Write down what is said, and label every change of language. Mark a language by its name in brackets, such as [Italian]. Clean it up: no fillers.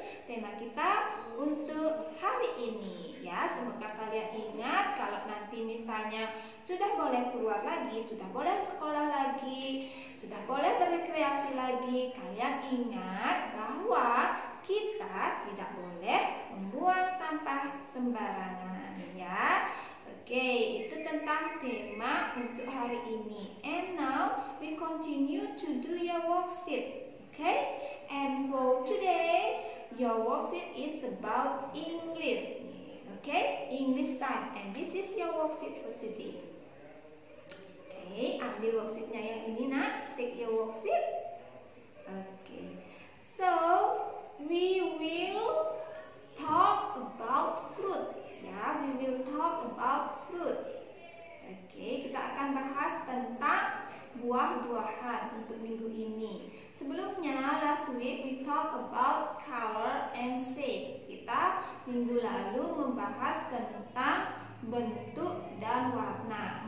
[Indonesian] Tema kita untuk hari ini ya, semoga kalian ingat kalau nanti misalnya sudah boleh keluar lagi, sudah boleh sekolah lagi, sudah boleh berekreasi lagi, kalian ingat bahwa kita tidak boleh membuang sampah sembarangan ya. Oke, itu tentang tema untuk hari ini. [English] And now we continue to do your worksheet. Okay, and for today your worksheet is about English. Okay, English time. And this is your worksheet for today. [Indonesian] Okay, ambil worksheetnya yang ini nak. [English] Take your worksheet. Okay, so we will talk about fruit. Yeah, we will talk about fruit. [Indonesian] Okay, kita akan bahas tentang buah-buahan untuk minggu ini. Sebelumnya, [English] last week we talk about color and shape. [Indonesian] Kita minggu lalu membahas tentang bentuk dan warna.